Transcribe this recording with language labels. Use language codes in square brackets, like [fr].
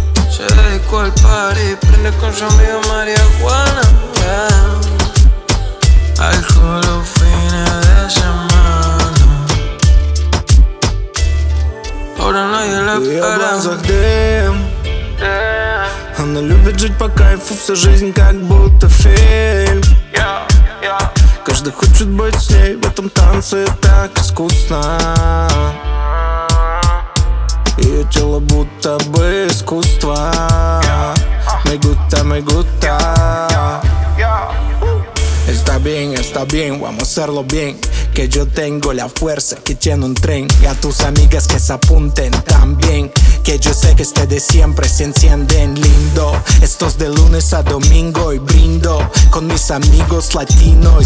[es] Se dedicó al party, prende con su amigo marihuana, yeah. Alcohol los fines de semana. Ahora nadie la espera. [ru] Я в глазах дым. Она любит жить по кайфу, вся жизнь как будто фильм. Каждый хочет быть с ней, в этом танце так искусно. Ее тело будто бы искусство. [es] Me gusta, me gusta. Está bien, está bien, vamos a hacerlo bien. Que yo tengo la fuerza que tiene un tren. Y a tus amigas que se apunten también. Que yo sé que ustedes siempre se encienden lindo. Esto es de lunes a domingo y brindo con mis amigos latinos.